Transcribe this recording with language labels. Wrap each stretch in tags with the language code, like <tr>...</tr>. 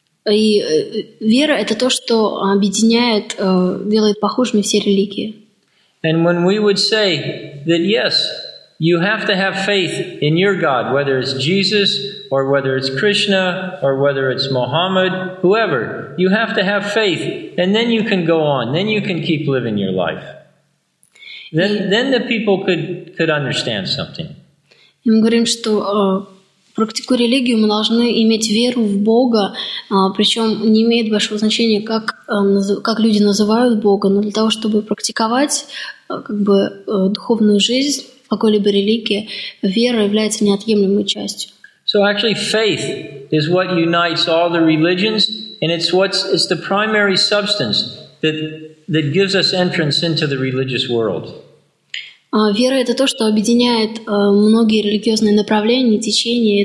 <ru>И вера это то, что объединяет, делает похожими все религии.</ru> <en>And when we would say that yes, you have to have faith in your God, whether it's Jesus or whether it's Krishna or whether it's Muhammad, whoever, you have to have faith, and then you can go on, then you can keep living your life. Then the people could understand something.</en> <ru>И мы говорим, что практикуя религию, мы должны иметь веру в Бога, причем не имеет большого значения, как люди называют Бога, но для того, чтобы практиковать духовную жизнь какой-либо религии, вера является неотъемлемой частью.</ru> <en>So actually faith is what unites all the religions, and it's the primary substance that gives us entrance into the religious world.</en> <ru>Вера — это то, что объединяет многие религиозные направления, течения.</ru>